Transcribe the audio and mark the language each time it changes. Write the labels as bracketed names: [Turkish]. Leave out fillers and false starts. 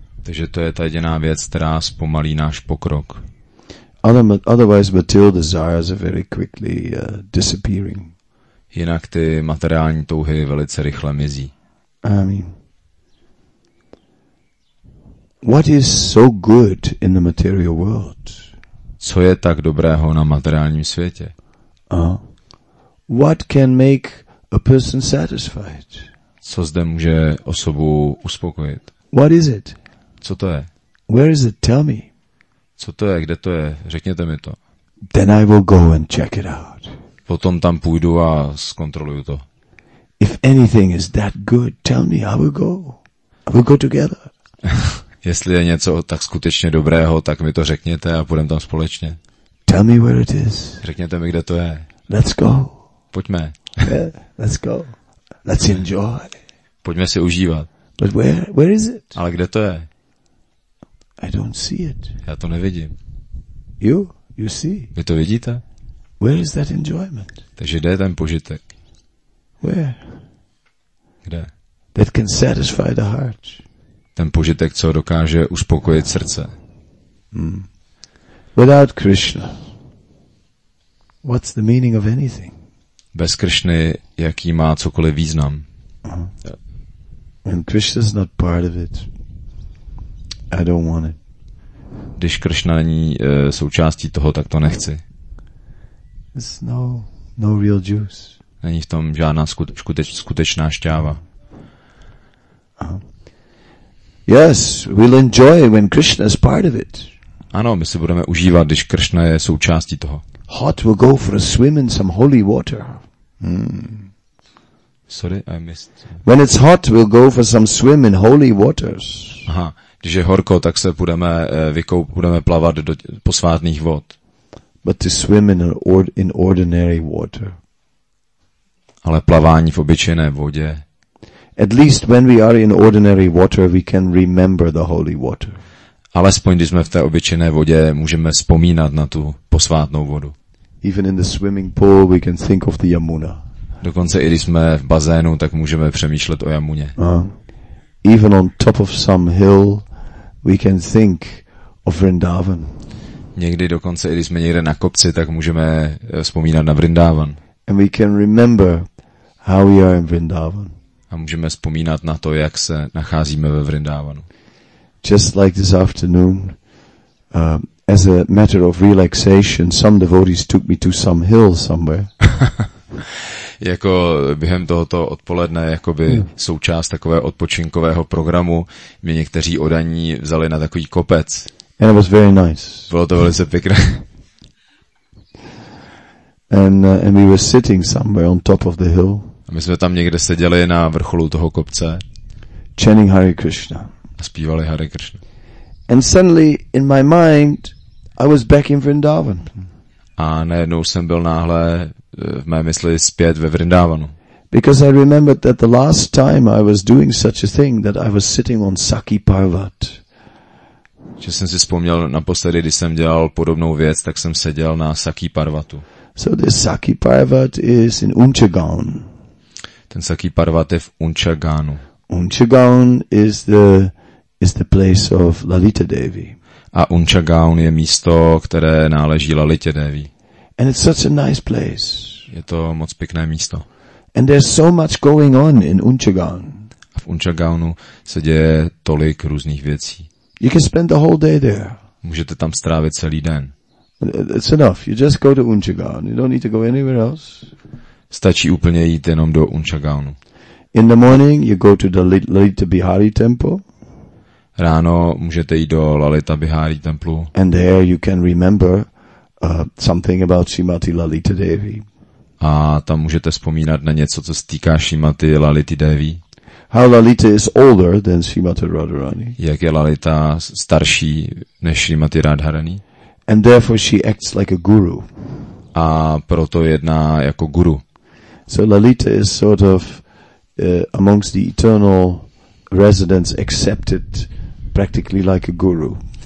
[Czech] Takže to je ta jediná věc, která zpomalí náš pokrok. [English] Otherwise material desires are very quickly disappearing. [Czech] Jinak ty materiální touhy velice rychle mizí. [English] I mean, what is so good in the material world? [Czech] Co je tak dobrého na materiálním světě? [English] What can make a person satisfied? [Czech] Co zde může osobu uspokojit? [English] What is it? [Czech] Co to je? [English] Where is it? Tell me. [Czech] Co to je? Kde to je? Řekněte mi to. [English] Then I will go and check it out. [Czech] Potom tam půjdu a zkontroluju to. [English] If anything is that good, tell me, I will go. I will go together. [Czech] Jestli je něco tak skutečně dobrého, tak mi to řekněte a půjdeme tam společně. [English] Tell me where it is. [Czech] Řekněte mi, kde to je. [English] Let's go. [Czech] Pojďme. [English] Yeah, let's go. Let's enjoy. [Czech] Pojďme si užívat. [English] But where is it? [Czech] Ale kde to je? [English] I don't see it. [Czech] Já to nevidím. [English] You see. [Czech] Vy to vidíte? [English] Where is that enjoyment? [Czech] Takže kde je ten požitek? [English] Where? [Czech] Kde? [English] That can satisfy the heart. [Czech] Ten požitek, co dokáže uspokojit srdce. [English] Without Krishna, what's the meaning of anything? [Czech] Bez Krishny, jaký má cokoliv význam? [English] When Krishna's not part of it, I don't want it. [Czech] Když Krishna není součástí toho, tak to nechci. [English] There's no real juice. [Czech] Není v tom žádná skutečná šťáva. [English] Yes, we'll enjoy when Krishna is part of it. [Czech] Ano, my si budeme užívat, když Krishna je součástí toho. [English] Hot, we'll go for a swim in some holy water. Sorry, I missed. When it's hot, we'll go for some swim in holy waters. [Czech] Aha, když je horko, tak se budeme budeme plavat do posvátných vod. [English] But to swim in ordinary water. [Czech] Ale plavání v obyčejné vodě. [English] At least when we are in ordinary water, we can remember the holy water. [Czech] Alespoň když jsme v té obyčejné vodě, můžeme vzpomínat na tu posvátnou vodu. [English] Even in the swimming pool, we can think of the Yamuna. [Czech] Dokonce i když jsme v bazénu, tak můžeme přemýšlet o Jamuně. [English] Even on top of some hill, we can think of Vrindavan. [Czech] Někdy dokonce, i když jsme někde na kopci, tak můžeme vzpomínat na Vrindavan. [English] And we can remember how we are in Vrindavan. [Czech] A můžeme vzpomínat na to, jak se nacházíme ve Vrindavanu. [English] Just like this afternoon, as a matter of relaxation, some devotees took me to some hill somewhere. [Czech] Jako během tohoto odpoledne, jakoby součást takového odpočinkového programu, mě někteří odaní vzali na takový kopec. [English] And it was very nice. [Czech] Bylo to velice pěkné. [English] And we were sitting somewhere on top of the hill. [Czech] A my jsme tam někde seděli na vrcholu toho kopce. [English] Chanting Hare Krishna. [Czech] A zpívali Hare Krishna. [English] And suddenly in my mind I was back in Vrindavan. [Czech] A najednou jsem byl náhle v mé mysli zpět ve Vrindavanu. [English] Because I remembered that the last time I was doing such a thing that I was sitting on Saki Parvat. [Czech] Že jsem si vzpomněl naposledy, když jsem dělal podobnou věc, tak jsem seděl na Saki Parvatu. [English] So the Saki Parvat is in Unchagaon. [Czech] Ten Saki Parvat je v Unchagaonu. [English] Unchagaon is the place of Lalita Devi. [Czech] A Unchagaon je místo, které náleží Lalitě Devi. [English] And it's such a nice place. [Czech] Je to moc pěkné místo. [English] And there's so much going on in Unchagaon. [Czech] A v Unchagaonu se děje tolik různých věcí. [English] You can spend the whole day there. [Czech] Můžete tam strávit celý den. [English] It's enough. You just go to Unchagaon. You don't need to go anywhere else. [Czech] Stačí úplně jít jenom do Unchagaonu. [English] In the morning you go to the Lalita Bihari temple. [Czech] Ráno můžete jít do Lalita Bihari templu. [English] And there you can remember something about Srimati Lalita Devi. [Czech] A tam můžete vzpomínat na něco, co se týká Srimati Lality Devi. [English] How Lalita is older than Srimati Radharani. [Czech] Jak je Lalita starší než Srimati Radharani. [English] And therefore she acts like a guru. [Czech] A proto jedná jako guru. [English] So Lalita is sort of amongst the eternal residents accepted practically like a guru.